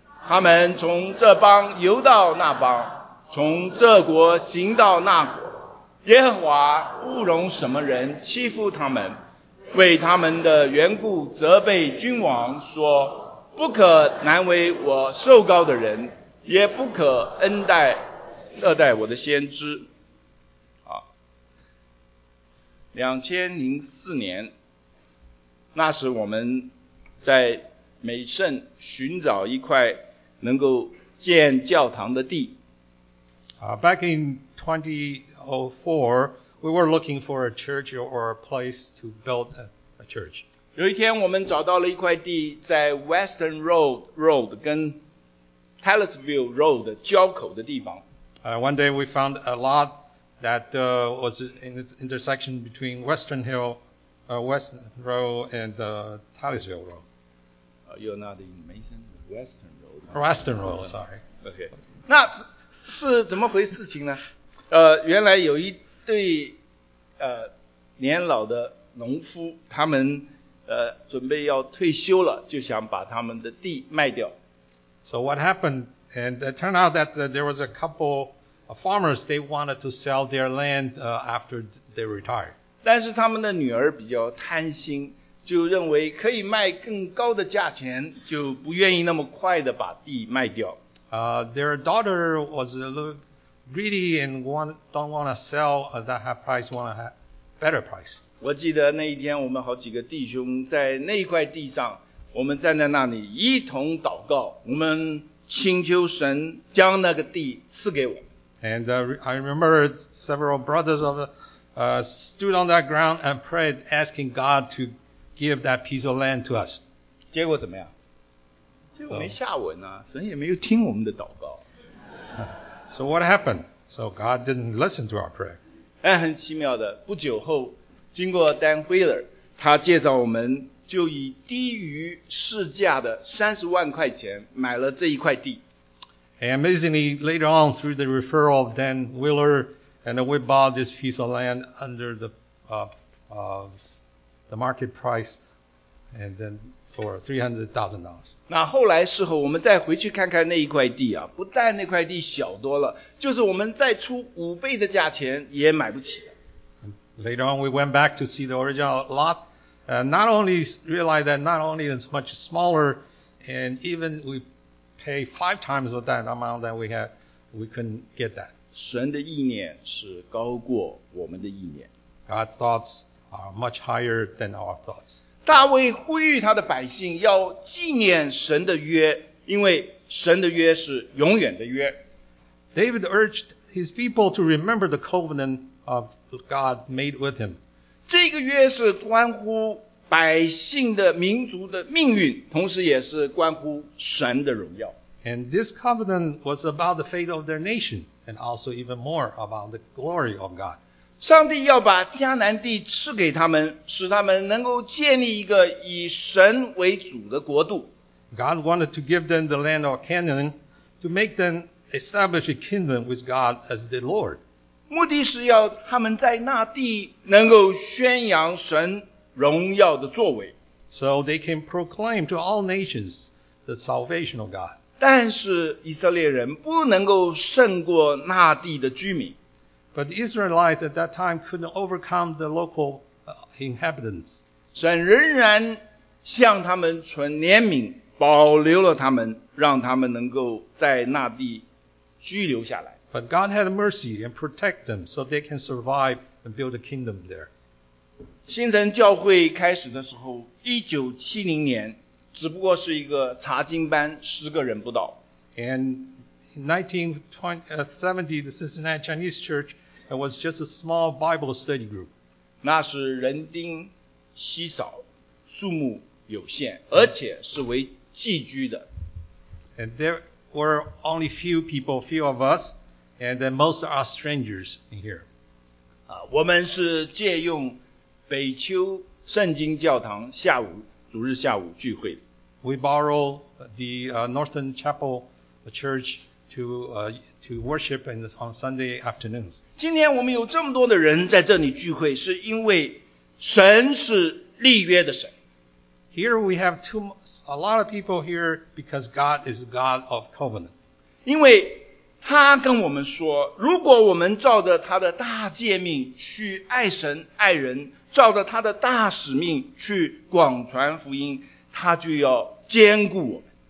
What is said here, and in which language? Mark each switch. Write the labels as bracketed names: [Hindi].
[Chinese] 他们从这邦游到那邦，从这国行到那国，耶和华不容什么人欺负他们，为他们的缘故责备君王说，不可难为我受膏的人，也不可恩待恶待我的先知。好，2004年，那时我们在美圣寻找一块能够建教堂的地。 [English] Back in 2004, we were looking for a church or a place to build a church. [Chinese] 有一天我们找到了一块地，在 Western Road 跟 Taylorsville Road 交口的地方。 [English] One day we found a lot that was in the intersection between Western Hill, Western Road and Taylorsville Road. You're not in Mason, Western. Western Road, sorry. [Chinese] Okay. 那是怎么回事情呢？原来有一对年老的农夫，他们准备要退休了，就想把他们的地卖掉。 [English] So what happened? And it turned out that there was a couple of farmers, they wanted to sell their land after they retired. [Chinese] 但是他们的女儿比较贪心，就认为可以卖更高的价钱，就不愿意那么快的把地卖掉。 [English] Their daughter was a little greedy and don't want to sell at that high price, want a better price. [Chinese] 我记得那一天我们好几个弟兄在那块地上，我们站在那里一同祷告，我们请求神将那个地赐给我。 [English] And I remember several brothers of stood on that ground and prayed, asking God to give that piece of land to us. [Chinese] 结果怎么样？结果没下文啊，神也没有听我们的祷告。 [English] So what happened? So God didn't listen to our prayer. [Chinese] 哎，很奇妙的，不久后，经过 Dan Wheeler， 他介绍我们就以低于市价的30万块钱买了这一块地。 [English] And amazingly, later on through the referral of Dan Wheeler, And then we bought this piece of land under the market price, and then for $300,000. [Chinese] 那后来时候我们再回去看看那一块地啊，不但那块地小多了，就是我们再出五倍的价钱也买不起。 [English] Later on, we went back to see the original lot, and not only realized that not only it's much smaller, and even we pay five times of that amount that we had, we couldn't get that. [Chinese] 神的意念是高过我们的意念。 [English] God's thoughts are much higher than our thoughts. [Chinese] 大卫呼吁他的百姓要纪念神的约，因为神的约是永远的约。 [English] David urged his people to remember the covenant of God made with him. [Chinese] 这个约是关乎百姓的民族的命运，同时也是关乎神的荣耀。 [English] And this covenant was about the fate of their nation, and also even more about the glory of God. [Chinese] 上帝要把迦南地赐给他们，使他们能够建立一个以神为主的国度。 [English] God wanted to give them the land of Canaan to make them establish a kingdom with God as the Lord. [Chinese] 目的是要他们在那地能够宣扬神荣耀的作为。 [English] So they can proclaim to all nations the salvation of God. [Chinese] 但是以色列人不能够胜过那地的居民。 [English] But the Israelites at that time couldn't overcome the local inhabitants. [Chinese] 神仍然向他们存怜悯，保留了他们，让他们能够在那地居留下来。 [English] But God had mercy and protect them so they can survive and build a kingdom there. [Chinese] 新城教会开始的时候，1970年，只不过是一个查经班，十个人不到。 [English] And in 1970, the Cincinnati Chinese Church, it was just a small Bible study group. [Chinese] 那是人丁稀少，数目有限，而且是为寄居的。 [English] And there were only few people, few of us, and then most are strangers in here. [Chinese] 我们是借用北丘圣经教堂下午，主日下午聚会的。 [English] We borrow the Northern Chapel Church to worship on Sunday afternoons. [Chinese] 今天我们有这么多的人在这里聚会，是因为神是立约的神。 [English] Here we have a lot of people here because God is God of covenant. [Chinese] 因为他跟我们说，如果我们照着他的大诫命去爱神爱人，照着他的大使命去广传福音，他就要坚固我们。